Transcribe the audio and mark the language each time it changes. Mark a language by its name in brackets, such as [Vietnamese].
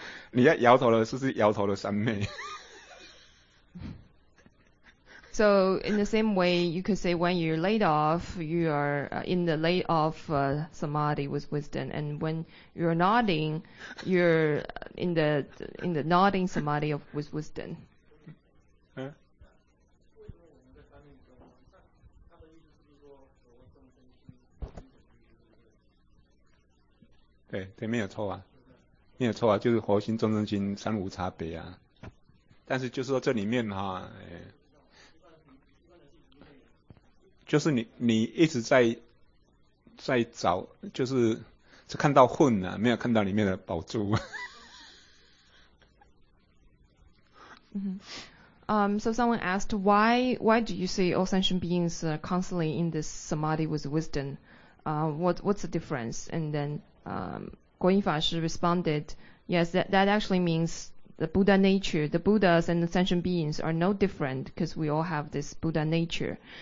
[Chinese] 你要摇头了，是不是摇头的三昧？ [English] So in the same way, you could say when you're laid off, you are in the laid off samadhi with wisdom, and when you're nodding, you're in the nodding samadhi of with wisdom. 嗯、 [Chinese] 对对，没有错啊，没有错啊，就是佛心、众生心、三无差别啊。但是就是说这里面哈，就是你一直在找，就是只看到混了、啊，没有看到里面的宝珠。 [English] So someone asked why do you say all sentient beings are constantly in this samadhi with wisdom? What's the difference? And then Guo Yinfa Shi responded, yes, that actually means the Buddha nature, the Buddhas and the sentient beings are no different because we all have this Buddha nature.